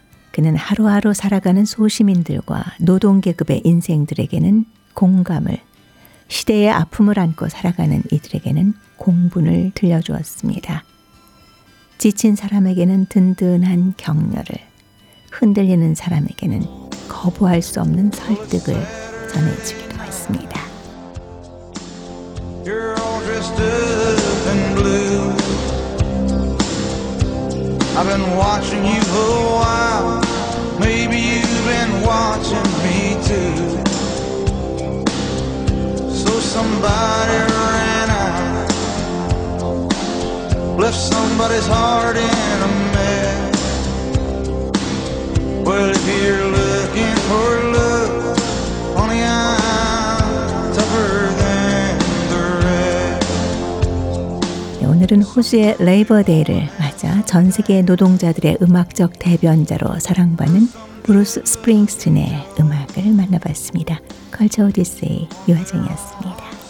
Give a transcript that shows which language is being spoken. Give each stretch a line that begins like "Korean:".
Korean: 그는 하루하루 살아가는 소시민들과 노동계급의 인생들에게는 공감을, 시대의 아픔을 안고 살아가는 이들에게는 공분을 들려주었습니다. 지친 사람에게는 든든한 격려를, 흔들리는 사람에게는 거부할 수 없는 설득을 전해주기도 했습니다.
English: You're all dressed up in blue. I've been watching you for a while. Maybe you've been watching me too. So somebody ran out. Left somebody's heart in a mess. Well, if you're looking for love, only I'm tougher than the rest.
Korean: 네, 오늘은 호주의 레이버 데이를 맞아 전 세계 노동자들의 음악적 대변자로 사랑받는 브루스 스프링스틴의 음악을 만나봤습니다. 컬처 오디세이 유화정이었습니다.